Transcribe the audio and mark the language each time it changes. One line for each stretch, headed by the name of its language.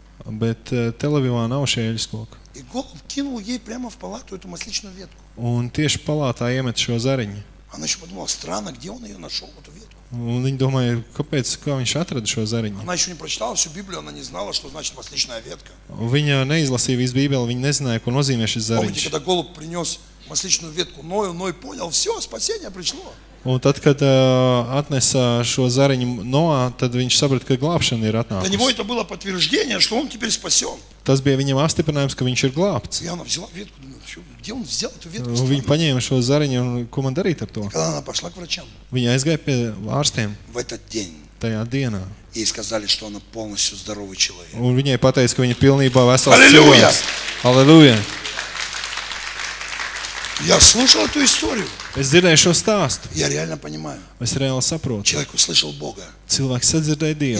Latvian: Bet Tel-Avivā nav šie eļas koki.
Russian: И голубь кинул ей прямо в палату эту масличную ветку.
Latvian: Un tieši palātā iemet šo zariņu.
Russian: Она ещё подумала, странно, где он её нашёл эту ветку?
Latvian: Un viņa domāja, kāpēc, kā viņš atrada šo zariņu.
Russian: Она ещё не прочитала всю Библию, она не знала, что значит масличная ветка.
Latvian: Viņa neizlasīja visu Bībeli, viņa nezināja, ko nozīmē šis zariņš.
Russian: Помните, когда голубь принёс масличную ветку Ною, Ной понял, всё, спасение пришло.
Latvian: Un tad, kad atnesa šo zariņu Noā, tad viņš saprata, ka glābšana ir atnākusi.
Russian: Для него это было подтверждение, что он теперь спасён.
Latvian: Tas bija viņam apstiprinājums, ka viņš ir glābts.
Russian: Ja она взяла ветку, где он взял эту ветку?
Latvian: Un viņa paņēma šo zariņu, un ko man darīt ar to?
Russian: Когда она пошла к врачам.
Latvian: Viņa aizgāja pie ārstiem.
Russian: В этот день.
Latvian: Tajā dienā.
Russian: Ей сказали, что она полностью здоровый человек.
Latvian: Un viņai pateica, ka viņa pilnībā vesels cilvēks. Halleluja!
Russian: Я слушал эту историю.
Latvian: Es dzirdēju šo stāstu.
Russian: Я реально понимаю.
Latvian: Es reāli saprotu.
Russian: Человек услышал Бога.
Latvian: Cilvēks sadzirdēja Dievu.